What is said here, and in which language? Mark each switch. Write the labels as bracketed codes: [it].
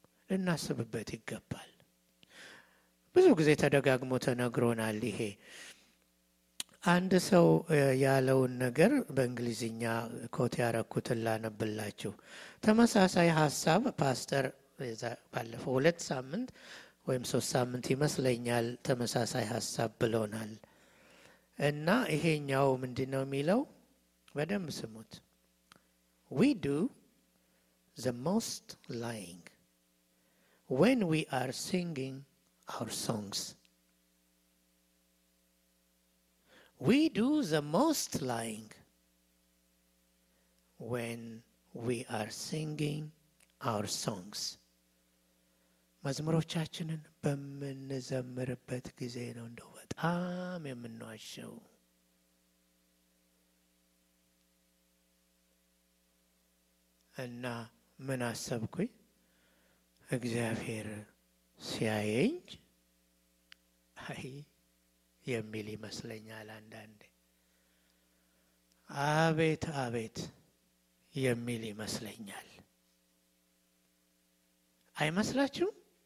[am] ልናስብበት ይገባል። ብዙ ጊዜ ተደጋግሞ ተነግሮናል። ይሄ አንድ ሰው ያለውን ነገር በእንግሊዝኛ ኮት ያረኩት ላነብላችሁ። ተመሳሳይ ሐሳብ ፓስተር ባለፈው 2 ሳምንት ወይም 3 ሳምንት ይመስለኛል ተመሳሳይ ሐሳብ ብሎናል። እና ይሄኛው ምንድነው የሚለው? በደንብ ስሙት። [en] We do the most lying when we are singing our songs. We do the most lying when we are singing our songs. [am] መዝሙሮቻችንን በምንዘምርበት ጊዜ ነው እንደ አም የምንዋሸው። እና ምን አሰብኩኝ? እግዚአብሔር ሲያየኝ አይ የሚል ይመስለኛል አንዳንዴ። አቤት አቤት የሚል ይመስለኛል። አይመስላችሁም?